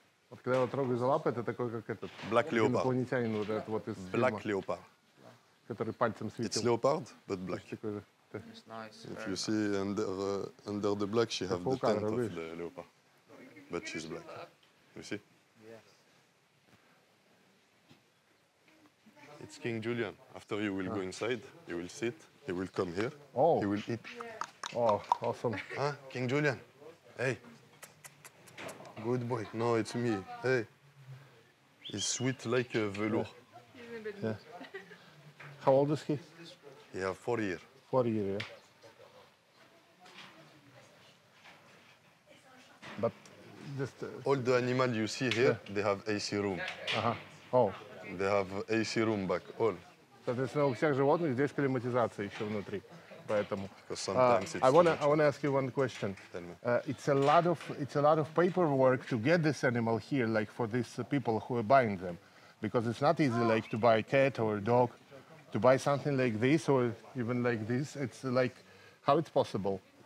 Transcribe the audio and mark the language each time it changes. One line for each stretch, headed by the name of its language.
Russian: Вот когда я его трогаю за лапы, это такой, как этот...
English: Black leopard.
Russian: Инопланетянин вот этот вот из
English: Black
Russian: фильма,
English: leopard.
Russian: Который пальцем светил.
English: It's leopard, but black.
Russian: Это такой же.
English: It's nice. If you see under the black, she have the tent of the leopard. But she's black. You see? Yes. It's King Julian. After you will go inside, you will sit, he will come here. Oh. He will eat. Oh, awesome. Huh? King Julian? Hey. Good boy. No, it's me. Hey. He's sweet like a velour. He's a bit How old is he? He has 4 years. 4 years, yeah. But just... All the animals you see here, they have AC room. Uh-huh. Oh. They have AC room back, all.
Russian: Соответственно, у всех животных здесь климатизация еще внутри. Поэтому.
English: I want to ask you one question. Tell me. It's a lot of paperwork to get this animal here, like for these people who are buying them, because it's not easy like to buy a cat or a dog, to buy something like this or even like this. It's like, how it's possible?